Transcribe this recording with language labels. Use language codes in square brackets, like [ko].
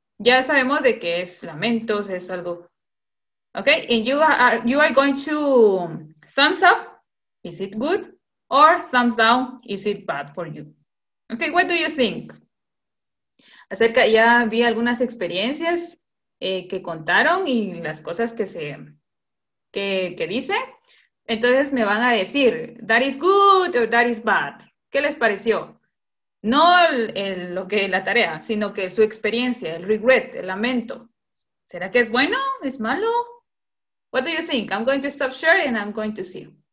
[es] Ya sabemos de qué es lamentos, es algo. [en] Okay? And you are going to thumbs up, is it good? Or thumbs down, is it bad for you? Okay, what do you think? [es] Acerca, ya vi algunas experiencias que contaron y las cosas que dice. Entonces me van a decir, [en] that is good or that is bad. [es] ¿Qué les pareció? No el, lo que la tarea, sino que su experiencia, el regret, el lamento. ¿Será que es bueno? ¿Es malo? [en] What do you think? I'm going to stop sharing and I'm going to see.